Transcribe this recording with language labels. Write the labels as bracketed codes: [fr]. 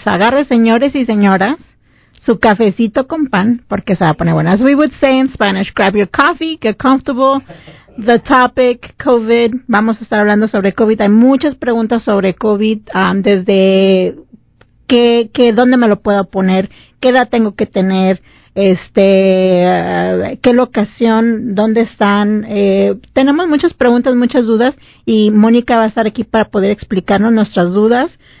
[es] So agarre, señores y señoras, su cafecito con pan, porque se va a poner bueno. [en] As we would say in Spanish, grab your coffee, get comfortable. The topic, [es] COVID, vamos a estar hablando sobre COVID. Hay muchas preguntas sobre COVID, desde qué dónde me lo puedo poner, qué edad tengo que tener, qué locación, dónde están. Tenemos muchas preguntas, muchas dudas, y Mónica va a estar aquí para poder explicarnos nuestras dudas.